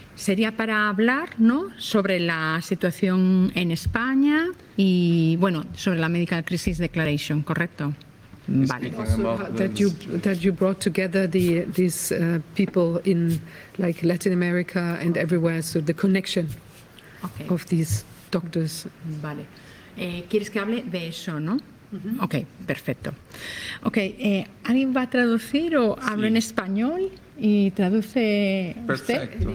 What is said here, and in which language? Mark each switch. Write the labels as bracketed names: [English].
[Spanish] Sería para hablar, ¿no?, sobre la situación en España y, bueno, sobre la Medical Crisis Declaration, ¿correcto? Vale. [English] That you brought together these people in like Latin America and everywhere, so the connection of these doctors. [Spanish] Vale. ¿Quieres que hable de eso, no? Ok, perfecto. Ok, ¿alguien va a traducir o habla en español y traduce usted?